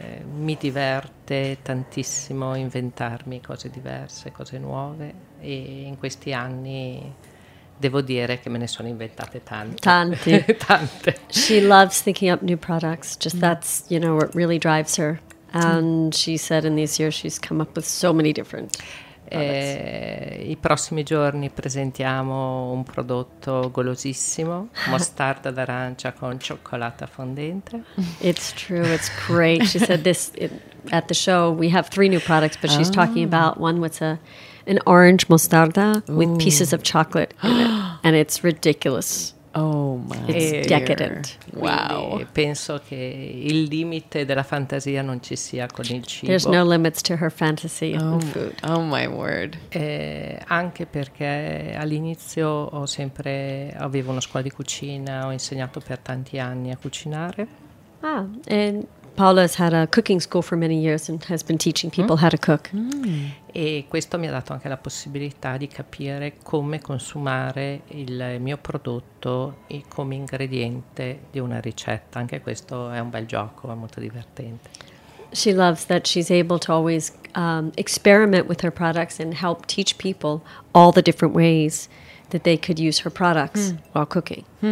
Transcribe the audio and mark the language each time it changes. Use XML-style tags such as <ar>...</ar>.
<it>Mi diverte tantissimo inventarmi cose diverse, cose nuove, e in questi anni devo dire che me ne sono inventate tante. Tante.</it> <en>She loves thinking up new products. Just that's, you know, what really drives her. And she said in these years she's come up with so many different products.</en> <it>I prossimi giorni presentiamo un prodotto golosissimo, mostarda d'arancia con cioccolata fondente.</it> <en>It's true, it's great. She said this at the show. We have three new products, but she's talking about one with an orange mostarda with pieces of chocolate in it. And it's ridiculous. Oh my, it's decadent. Wow.</en> <it>Penso che il limite della fantasia non ci sia con il cibo.</it> <en>There's no limits to her fantasy and food. Oh my word.</en> <it>Anche perché all'inizio avevo una scuola di cucina, ho insegnato per tanti anni a cucinare.</it> <en>Ah, and Paola has had a cooking school for many years and has been teaching people how to cook.</en> <it>E questo mi ha dato anche la possibilità di capire come consumare il mio prodotto e come ingrediente di una ricetta. Anche questo è un bel gioco, è molto divertente.</it> <en>She loves that she's able to always experiment with her products and help teach people all the different ways that they could use her products while cooking.</en>